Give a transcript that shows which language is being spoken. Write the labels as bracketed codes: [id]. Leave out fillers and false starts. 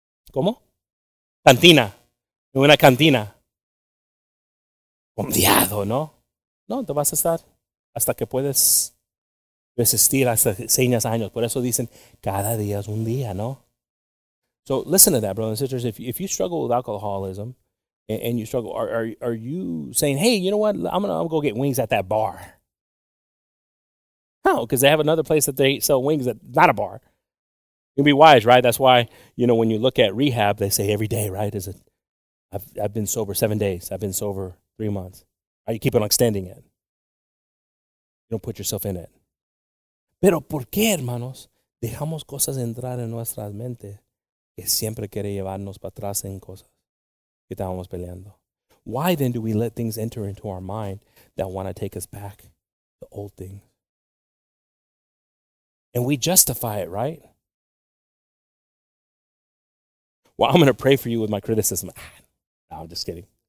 [es] ¿Cómo? Cantina. En una cantina. Confiado, ¿no? No, te vas a estar hasta que puedes resistir, hasta señas años. Por eso dicen, cada día es un día, ¿no? [en] So, listen to that, brothers and sisters. If you struggle with alcoholism, and you struggle, are you saying, hey, you know what, I'm gonna go get wings at that bar? No, because they have another place that they sell wings that's not a bar. You'd be wise, right? That's why, you know, when you look at rehab, they say every day, right? I've been sober 7 days. I've been sober 3 months. Are you keeping on extending it? You don't put yourself in it. [es] Pero por qué, hermanos, dejamos cosas entrar en nuestras mentes que siempre quiere llevarnos para atrás en cosas. Que estábamos peleando. [en] Why then do we let things enter into our mind that want to take us back to old things? And we justify it, right? Well, I'm going to pray for you with my criticism. No, I'm just kidding.